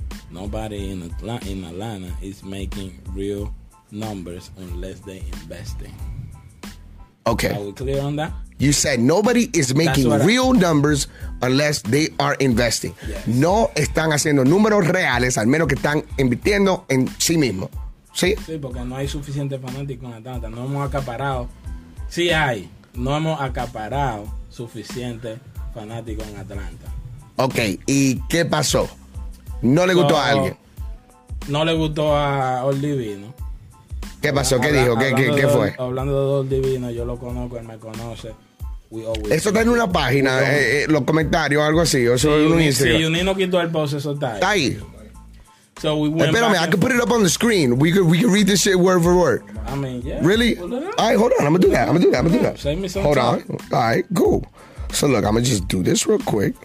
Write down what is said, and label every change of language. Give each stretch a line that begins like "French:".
English: Nobody in Atlanta is making real numbers unless they investing. Okay. Are we clear on that? You said nobody is making real numbers unless they are investing. Yes.
Spanish: No están haciendo números reales al menos que están invirtiendo en sí mismo. ¿Sí? Sí, porque no hay suficiente fanático en Atlanta. No hemos acaparado. Sí hay. No hemos acaparado suficiente fanático en Atlanta. Ok, ¿y qué pasó? ¿No le gustó a alguien? No le gustó a Old Divino. ¿Qué pasó? ¿Qué dijo? ¿Qué fue? Hablando de Old Divino, yo lo conozco, él me conoce. Eso está en una página, los comentarios, algo así. Eso sí, es un Instagram. Sí, Unino quitó el post, eso está ahí. Está ahí.
English: So we went espérame, back. I can put it up on the screen. We could read this shit word for word. I mean, yeah. Really? Well, all right, hold on. I'm going to do that. Save me some hold time. On. All right, cool. So look, I'm going to just do this real quick.